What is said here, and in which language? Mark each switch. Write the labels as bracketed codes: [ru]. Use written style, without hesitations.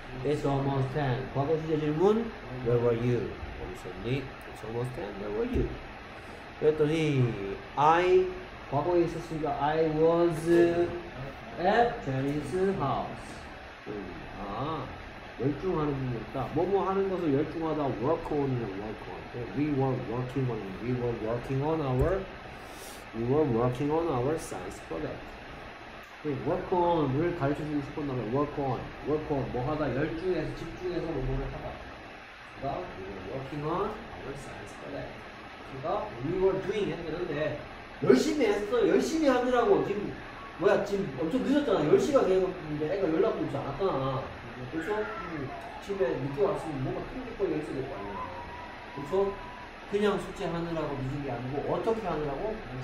[en] It's almost 10. [ko] 과거 시제 질문 [en] Where were you? [ko] 어디셨니? [en] It's almost 10. Where were you? [ko] 그랬더니 [en] I [ko] 과거에 있었으니까 [en] I was at Jenny's house. [ko] 아 열중하는 분이었다. 뭐뭐 하는 것을 열중하다. [en] Work on, work on. We were working on, we were working on our, we were working on our science project. [ko] Work on을 가르쳐주고 싶었나봐요. [en] Work on, work on. [ko] 뭐 하다 열중해서 집중해서 뭐뭐를 하다. 그러니까 [en] we were working on our science project. [ko] 그러니까 [en] we were doing [ko] 했는데 열심히 했어. 열심히 하느라고 지금 뭐야 지금 엄청 늦었잖아. 10시가 되었는데 애가 연락도 이제 안 왔잖아. 그래서 집에 늦게 왔으면 뭔가 큰일 거 있어야 될 거 아니야. 그래서 그냥 숙제 하느라고 늦은 게 아니고 어떻게 하느라고?